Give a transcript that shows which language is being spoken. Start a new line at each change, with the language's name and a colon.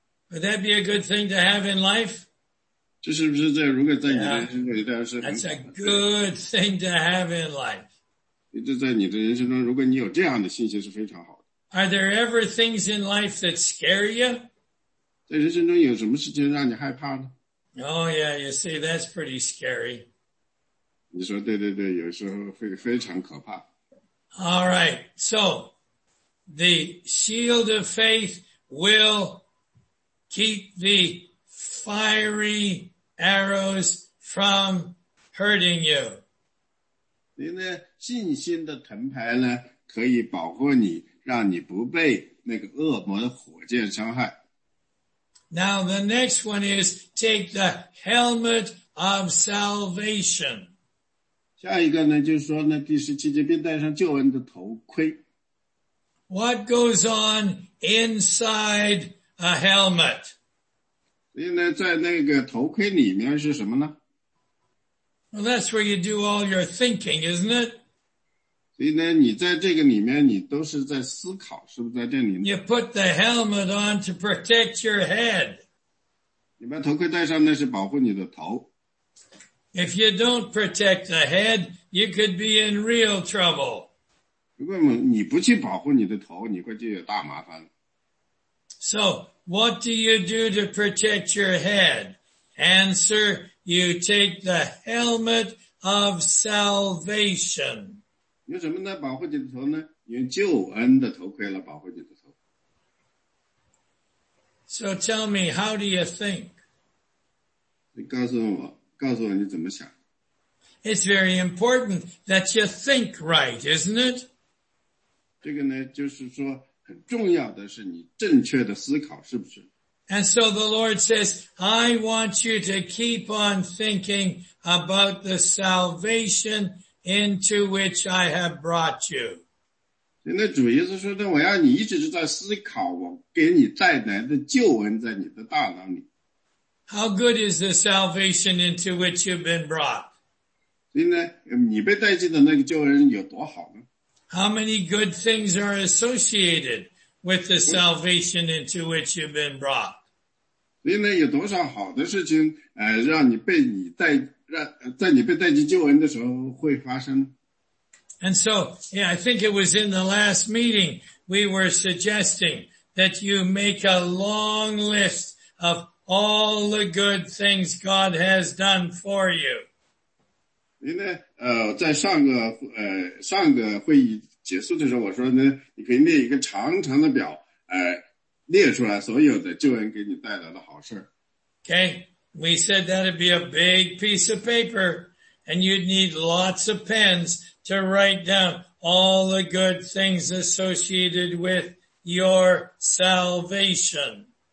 English: Would that be a good thing to have in life?
Chinese: 这是不是在,如果在你的人生中,当然是很好。
English: That's a good thing to have in life.
Chinese: 就在你的人生中,如果你有这样的信心是非常好的。
English: Are there ever things in life that scare you?
Chinese: 在人生中有什么事情让你害怕呢？
English: Oh yeah, you see, that's pretty scary.
Chinese: 你说对对对，有时候会非常可怕。
English: All right, so the shield of faith will keep the fiery arrows from hurting you.
Chinese: 你的信心的盾牌呢，可以保护你，让你不被那个恶魔的火箭伤害。
English: Now the next one is take the helmet of salvation.
Chinese: 下一个呢就是说呢第十七节便戴上救恩的头盔。
English: What goes on inside a helmet?
Chinese: 所以呢在那个头盔里面是什么呢
English: Well, that's where you do all your thinking, isn't it?
Chinese: 所以呢你在这个里面你都是在思考是不是在这里呢
English: You put the helmet on to protect your head.
Chinese: 你把头盔戴上那是保护你的头。
English: If you don't protect the head, you could be in real trouble. 如果你不去保护你的头你会就有大麻烦。 So, what do you do to protect your head? Answer, you take the helmet of salvation.
Chinese: 有什么呢保护你的头呢用救恩的头盔来保护你的头。
English: So tell me, how do you think?
Chinese: 你告诉我告诉我你怎么想。
English: It's very important that you think right, isn't it?
Chinese: 这个呢就是说很重要的是你正确的思考是不是。
English: And so the Lord says, I want you to keep on thinking about the salvation into which I have brought you.
Chinese: 那主耶稣说的我要你一直在思考我给你带来的救恩在你的大脑里。
English: How good is the salvation into which you've been brought?
Chinese: 呢你被带进的那个救恩有多好呢
English: How many good things are associated with the salvation into which you've been brought?
Chinese: 呢有多少好的事情让你被你带在你被带进救恩的时候会发生。
English: And so, yeah, I think it was in the last meeting, we were suggesting that you make a long list of all the good things God has done for you.
Chinese: 因为在上个会议结束的时候我说呢你可以列一个长长的表列出来所有的救恩给你带来的好事。
English: Okay. We said that'd be a big piece of paper and you'd need lots of pens to write down all the good things associated with your salvation.